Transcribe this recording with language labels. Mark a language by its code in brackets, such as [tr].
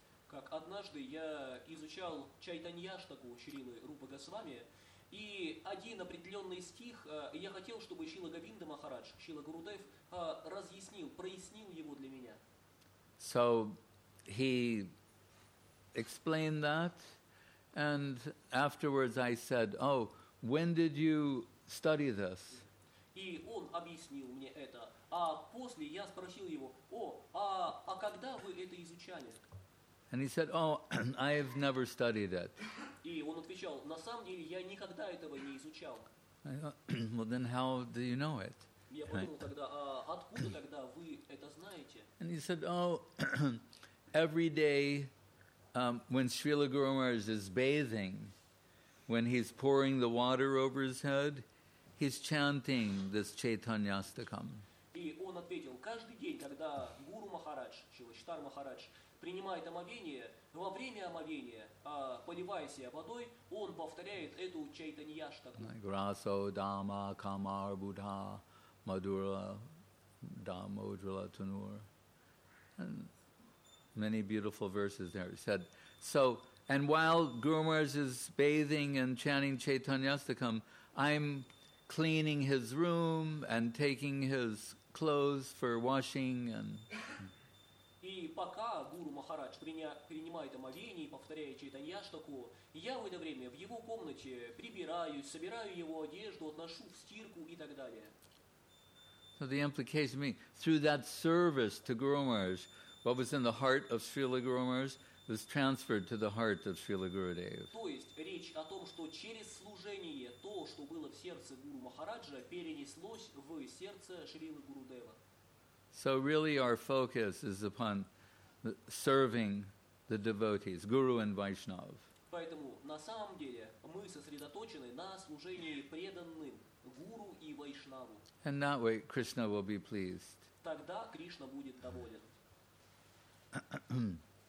[ru] Как однажды я изучал Чайтаньяштаку Шрилы Рупа Госвами, и один определенный стих, я хотел, чтобы Шрила Говинда Махарадж, Шрила Гурудев, разъяснил, прояснил его для меня. [en] So he explained that, and afterwards I said, oh, when did you study this? [ru] И он объяснил мне это, а после я спросил его, а когда вы это изучали? [en] And he said, oh, I have never studied it. [ru] И он отвечал, на самом деле, я никогда этого не изучал. [en] Well, then how do you know it? [ru] Я подумал тогда, а откуда тогда вы это знаете? [en] And he said, oh, every day when Srila Guru Maharaj is bathing, when he's pouring the water over his head, he's chanting this Chaitanyastakam. [ru] И он ответил, каждый день, когда Гуру Махарадж, Чилачтар Махарадж, принимает омовение, во время омовения, поливая себя водой, он повторяет эту чайтаньяштаку. [en] Like [sa] Расо Дама Камар Будха Мадура Дама Уджала Тунур. [en] And many beautiful verses there. He said, so, and while Guru Maharaj is bathing and chanting Chaitanyastakam, I'm cleaning his room and taking his clothes for washing and... [ru] И пока Гуру Махарадж принимает омовение и повторяет Чайтаньяштаку, я в это время в его комнате прибираюсь, собираю его одежду, отношу в стирку и так далее. [en] So the implication means, through that service to Guru Maharaj, what was in the heart of Srila Guru Maharaj was transferred to the heart of Srila Gurudev. [ru] То есть речь о том, что через служение то, что было в сердце Гуру Махараджа, перенеслось в сердце Шрилы Гурудева. [en] So really our focus is upon serving the devotees, Guru and Vaishnav. [ru] Поэтому на самом деле мы сосредоточены на служении преданным Гуру и Вайшнаву. [en] And that way Krishna will be pleased. [ru] Тогда Кришна будет доволен.